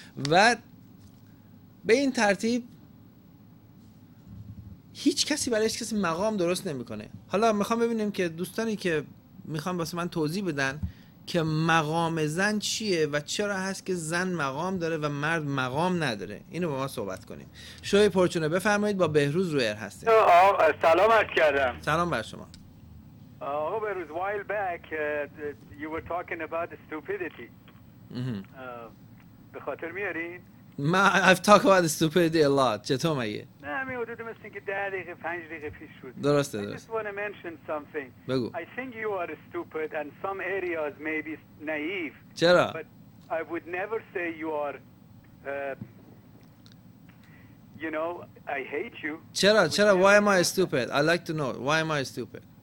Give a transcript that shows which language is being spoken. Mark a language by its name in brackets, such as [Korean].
[Persian] و به این ترتیب هیچ کسی برایش کسی مقام درست نمیکنه. حالا میخوام ببینیم که دوستانی که میخوام واسه من توضیح بدن که مقام زن چیه و چرا هست که زن مقام داره و مرد مقام نداره، اینو با ما صحبت کنیم. شوی پرچونه بفرمایید، با بهروز روی ار هستیم. سلام عرض کردم. سلام بر شما. [English] آقا Behrouz, while back you were talking about the stupidity. [Persian] به خاطر میارین؟ [English] I've talked about the stupidity a lot. [Persian] چطور مگه؟ نه همین حدود مثل اینکه 10 دقیقه 5 دقیقه پیش شد. درسته. [English] I just want to mention something. [Persian] بگو. [English] I think you are stupid and some areas maybe naive. [Persian] چرا؟ [English] But I would never say you are you know, I hate you. [Persian] چرا؟ چرا؟ [English] Why am I stupid? I like to know. Why am I stupid?